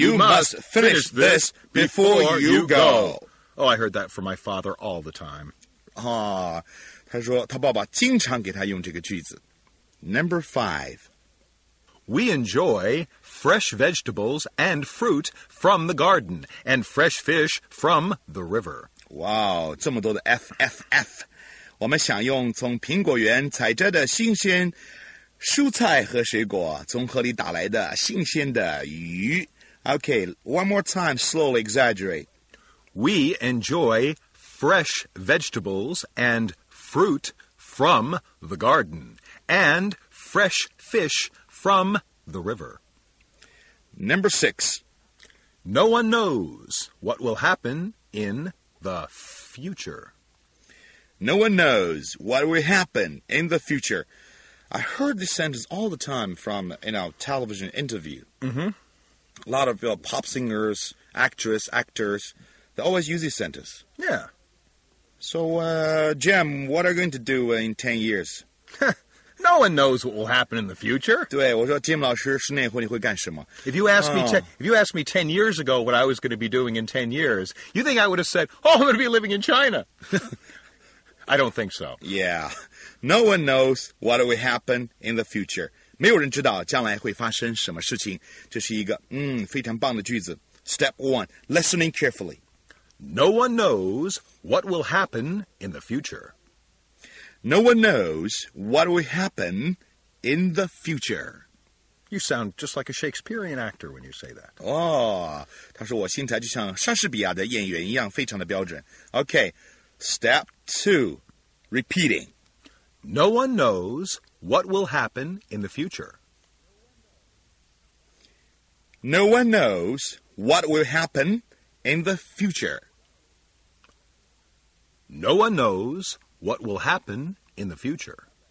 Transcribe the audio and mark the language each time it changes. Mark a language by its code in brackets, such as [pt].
[en] First things first. You must finish this before you go. Oh, I heard that from my father all the time. [zh] Ah, 他说他爸爸经常给他用这个句子。 [en] Number five. We enjoy fresh vegetables and fruit from the garden and fresh fish from the river. [zh] Wow, 这么多的 FFF. 我们享用从苹果园采摘的新鲜蔬菜和水果，从河里打来的新鲜的鱼。 [en] Okay, one more time, slowly exaggerate. We enjoy fresh vegetables and fruit from the garden and fresh fish from the river. Number six. No one knows what will happen in the future. No one knows what will happen in the future. I heard this sentence all the time from, you know, television interview. Mm-hmm. A lot of pop singers, actors, they always use this sentence. Yeah. So, Jim, what are you going to do in 10 years? No one knows what will happen in the future. [zh] 对,我说 Jim 老师,十年后你会干什么? [en] If you asked me 10 years ago what I was going to be doing in 10 years, you think I would have said, oh, I'm going to be living in China. I don't think so. Yeah. No one knows what will happen in the future. [zh] 没有人知道将来会发生什么事情。这是一个非常棒的句子。 [en] Step one, listening carefully. No one knows what will happen in the future. No one knows what will happen in the future. You sound just like a Shakespearean actor when you say that. [zh] Oh, 他说我心态就像莎士比亚的演员一样非常的标准。 [en] Okay, step two, repeating. No one knows what will happen in the future. No one knows what will happen in the future. No one knows what will happen in the future.